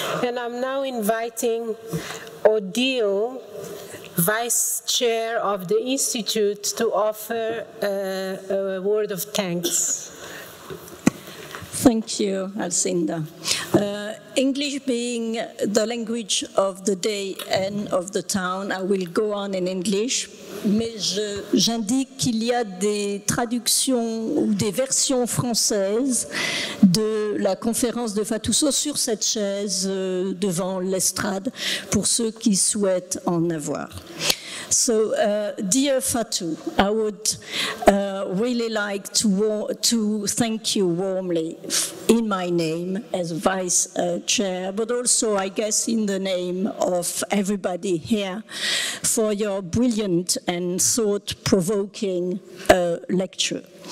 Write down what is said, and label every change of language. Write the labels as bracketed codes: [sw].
[en] And I'm now inviting Odile, Vice Chair of the Institute, to offer a word of thanks. Thank you, Alcinda. English being the language of the day and of the town, I will go on in English. [fr] Mais j'indique qu'il y a des traductions ou des versions françaises de la conférence de Fatou Sow sur cette chaise devant l'estrade pour ceux qui souhaitent en avoir. [en] So, dear Fatou, I would really like to thank you warmly in my name as vice chair, but also, I guess, in the name of everybody here for your brilliant and thought-provoking lecture.